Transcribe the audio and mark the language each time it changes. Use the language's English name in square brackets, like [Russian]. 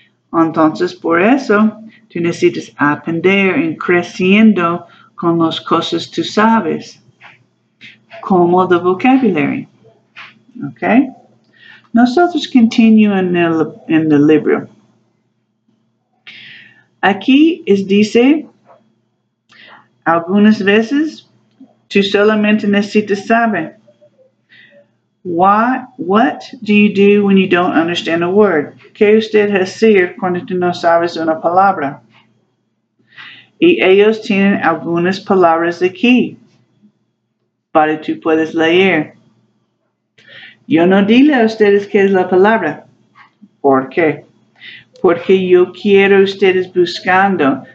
[Spanish] Entonces, por eso, tú necesitas aprender y creciendo con las cosas que tú sabes, como el vocabulario, ¿ok? Nosotros continuamos en el libro. Aquí es dice, algunas veces, tú solamente necesitas saber. [English] Why, what do you do when you don't understand a word? [Spanish] ¿Qué usted hace cuando tú no sabes una palabra? Y ellos tienen algunas palabras aquí. Para tú puedes leer. Yo no dile a ustedes qué es la palabra. ¿Por qué? Porque yo quiero ustedes buscando.